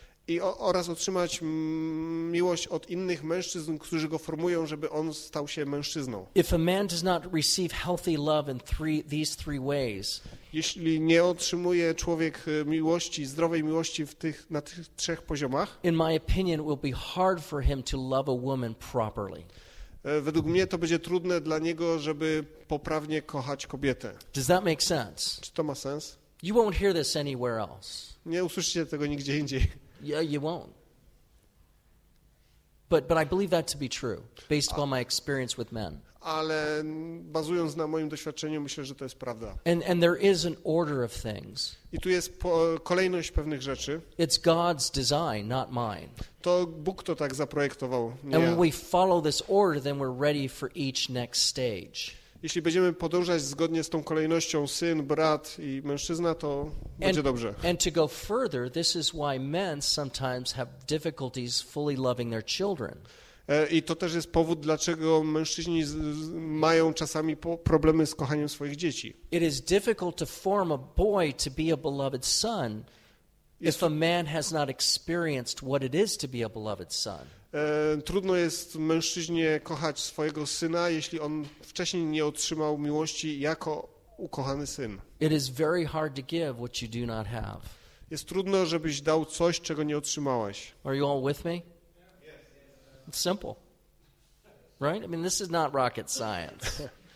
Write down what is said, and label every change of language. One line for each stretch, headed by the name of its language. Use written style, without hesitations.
Polish: I oraz otrzymać miłość od innych mężczyzn, którzy go formują, żeby on stał się mężczyzną.
English: If a man does not receive healthy love in these three ways.
Polish: Jeśli nie otrzymuje człowiek miłości, zdrowej miłości na tych trzech poziomach.
English: In my opinion, it will be hard for him to love a woman properly.
Polish: Według mnie to będzie trudne dla niego, żeby poprawnie kochać kobietę.
English: Does that make sense?
Polish: Czy to ma sens?
English: You won't hear this anywhere else.
Polish: Nie usłyszycie tego nigdzie indziej.
English: Yeah, you won't. But I believe that to be true, based upon my experience with men.
Polish: Ale bazując na moim doświadczeniu, myślę, że to jest prawda.
English: And there is an order of things.
Polish: I tu jest kolejność pewnych rzeczy.
English: It's God's design, not mine.
Polish: To Bóg to tak zaprojektował, nie.
English: And when we follow this order, then we're ready for each next stage.
Polish: Jeśli będziemy podążać zgodnie z tą kolejnością syn, brat i mężczyzna, to będzie dobrze.
English: And to go further, this is why men sometimes have difficulties fully loving their children.
Polish: I to też jest powód, dlaczego mężczyźni mają czasami problemy z kochaniem swoich dzieci.
English: It is difficult to form a boy to be a beloved son if a man has not experienced what it is to be a beloved son.
Polish: Trudno jest mężczyźnie kochać swojego syna, jeśli on wcześniej nie otrzymał miłości jako ukochany syn.
English: It is very hard to give what you do not have.
Polish: Jest trudno, żebyś dał coś, czego nie otrzymałeś.
English: Are you all with me? It's simple, right? I mean, this is not rocket science.